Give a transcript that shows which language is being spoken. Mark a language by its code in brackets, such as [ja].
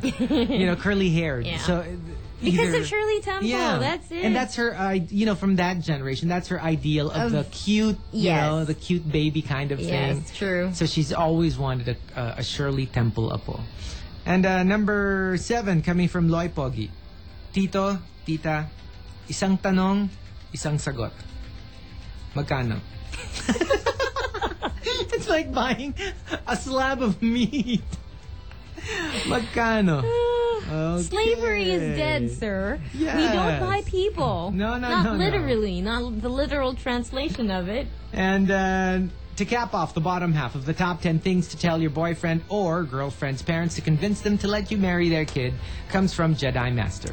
[en] You know, curly haired. Yeah. So. Because of Shirley Temple, yeah. that's it. And that's her, you know, from that generation, that's her ideal of the cute, yes. you know, the cute baby kind of yes, thing. Yes, true. So she's always wanted a Shirley Temple apo. And number 7, coming from Loy Pogi. [tl] Tito, tita, isang tanong, isang sagot. Magkano? [en] It's like buying a slab of meat. [tl] Magkano? [en] Okay. Slavery is dead, sir. Yes. We don't buy people. No, not literally. Not the literal translation of it. And to cap off the bottom half of the top 10 things to tell your boyfriend or girlfriend's parents to convince them to let you marry their kid comes from Jedi Master.